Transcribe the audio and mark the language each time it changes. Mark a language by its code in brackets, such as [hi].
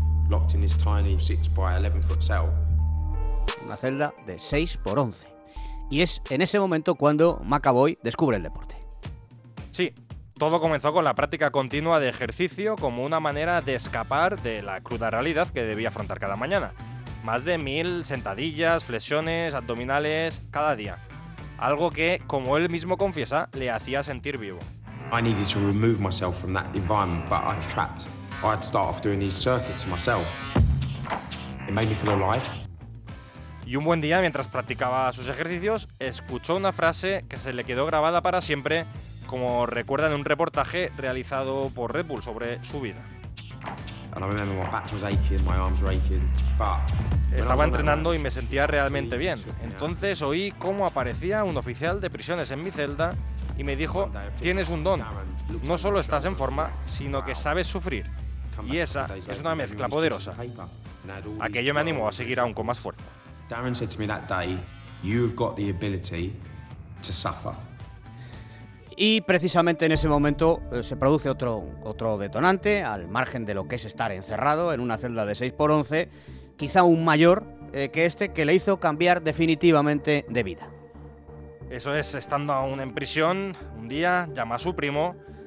[en] Locked in this tiny 6x11 foot cell. [es] Una celda de 6x11. Y es en ese momento cuando McAvoy descubre el deporte. Sí, todo comenzó con la práctica continua de ejercicio como una manera de escapar de la cruda realidad que debía afrontar cada mañana. Más de 1000 sentadillas, flexiones, abdominales, cada día. Algo que, como él mismo confiesa, le hacía sentir vivo. [en] I needed to remove myself from that environment, but I was trapped. I'd start off doing these circuits myself. It made me feel alive. [es] Y un buen día, mientras practicaba sus ejercicios, escuchó una frase que se le quedó grabada para siempre, como recuerda en un reportaje realizado por Red Bull sobre su vida. [en] And I remember my back was aching, my arms were aching, but [es] estaba entrenando y me sentía realmente bien. Entonces oí cómo aparecía un oficial de prisiones en mi celda y me dijo: tienes un don. No solo estás en forma, sino que sabes sufrir. Y esa es una mezcla poderosa. Aquello me animó a seguir aún con más fuerza. [en] Darren said to me that day, you've got the ability to suffer. [es] Y precisamente en ese momento se produce otro detonante, al margen de lo que es estar encerrado en una celda de 6x11, quizá aún mayor que este, que le hizo cambiar definitivamente de vida. Eso es, estando aún en prisión, un día llama a su primo